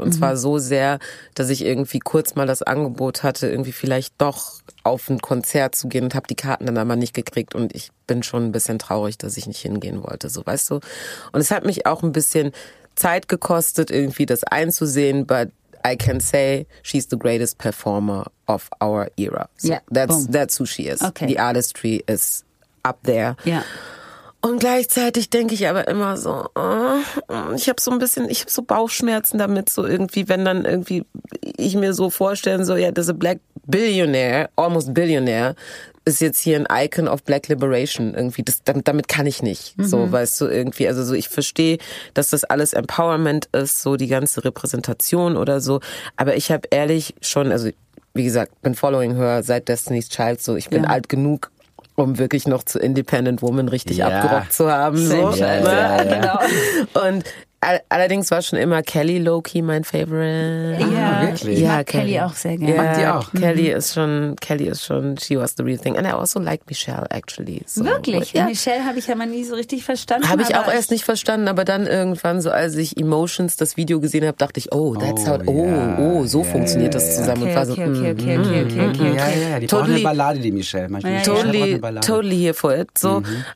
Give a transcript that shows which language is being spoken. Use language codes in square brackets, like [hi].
[de] Und zwar so sehr, dass ich irgendwie kurz mal das Angebot hatte, irgendwie vielleicht doch auf ein Konzert zu gehen und habe die Karten dann aber nicht gekriegt. Und ich bin schon ein bisschen traurig, dass ich nicht hingehen wollte, so weißt du. Und es hat mich auch ein bisschen Zeit gekostet, irgendwie das einzusehen, [en] but I can say she's the greatest performer of our era. So yeah, that's who she is. Okay. The artistry is up there. Yeah. [de] Und gleichzeitig denke ich aber immer so, ich habe so Bauchschmerzen damit, so irgendwie, wenn dann irgendwie ich mir so vorstellen, so, [en] yeah, there's a black billionaire, almost billionaire, [de] ist jetzt hier ein Icon of Black Liberation irgendwie. Damit kann ich nicht. Mhm. So, weißt du, irgendwie. Also so, ich verstehe, dass das alles Empowerment ist, so die ganze Repräsentation oder so. Aber ich habe ehrlich schon, also wie gesagt, bin [en] following her [de] seit Destiny's Child, so ich bin alt genug, um wirklich noch zu Independent Woman richtig abgerockt zu haben. So. Ja, ja, ja. Und allerdings war schon immer Kelly Loki mein Favorite. Ja, ah, wirklich. Ja, Kelly auch sehr gerne. Ja, die auch. Kelly ist schon, [en] she was the real thing. And I also like Michelle actually. [de] So. Wirklich? Ja. Michelle habe ich ja mal nie so richtig verstanden. Habe ich auch erst nicht verstanden, aber dann irgendwann, so als ich Emotions das Video gesehen habe, dachte ich, [en] oh, that's how, [de] so funktioniert das zusammen. Okay, und war so, okay. Ja, die totally, braucht eine Ballade, die Michelle. [en] Totally here for it. So. Mhm.